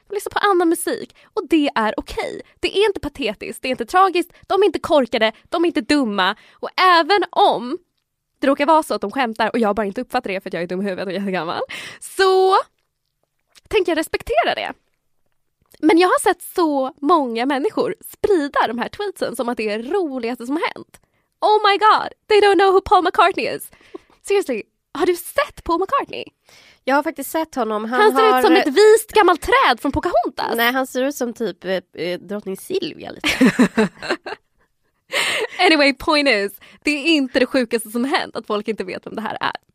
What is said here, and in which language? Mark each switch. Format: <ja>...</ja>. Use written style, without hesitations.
<sv>De lyssnar på annan musik. Och det är okej. Okay. Det är inte patetiskt. Det är inte tragiskt. De är inte korkade. De är inte dumma. Och även om Det råkar vara så att de skämtar och jag bara inte uppfattar det för att jag är dum i huvudet och jättegammal. Så tänker jag respektera det. Men jag har sett så många människor sprida de här tweetsen som att det är roligaste som har hänt.</sv> <en>Oh my god, they don't know who Paul McCartney is.</en> <sv>Seriously, har du sett Paul McCartney? Jag har faktiskt sett honom. Han ser ut som ett vist gammalt träd från Pocahontas. Nej, han ser ut som typ drottning Silvia lite. Anyway, point is, det är inte det sjukaste som hänt att folk inte vet vem det här är.</sv>